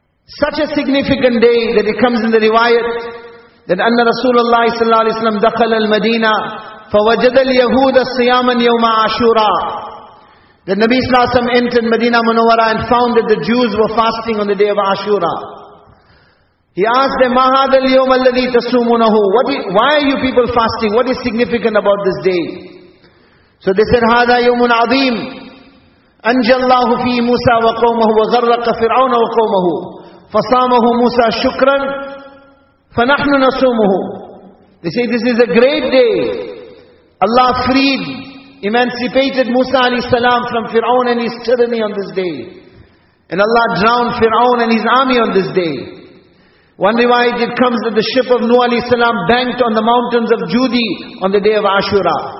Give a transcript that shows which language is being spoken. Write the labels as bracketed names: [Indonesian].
[English] Such a significant day that it comes in the riwayat that [Arabic] Anna Rasulullah sallallahu alaihi wasallam dakhala al-Madinah. فَوَجَدَ الْيَهُودَ الصِّيَامًا يَوْمَ عَشُورًا. [English] The Nabi Sallallahu Alaihi Wasallam entered Medina Munawwara and found that the Jews were fasting on the day of Ashura. He asked them, [Arabic] مَا هَذَا الْيَوْمَ الَّذِي تَصُومُونَهُ. [English] Why are you people fasting? What is significant about this day? So they said, [Arabic] هَذَا يَوْمٌ عَظِيمٌ أَنْجَى اللَّهُ فِي مُوسَى وَقَوْمَهُ وَغَرَّقَ فِرْعَوْنَ وَقَوْمَهُ فَصَامَهُ مُوسَى شُكْرًا فَنَحْنُ نَصُومُهُ. [English] They say, this is a great day. Allah freed, emancipated Musa alayhi salam from Fir'aun and his tyranny on this day. And Allah drowned Fir'aun and his army on this day. One riwayat, it comes that the ship of Nuh alayhi salam banked on the mountains of Judi on the day of Ashura.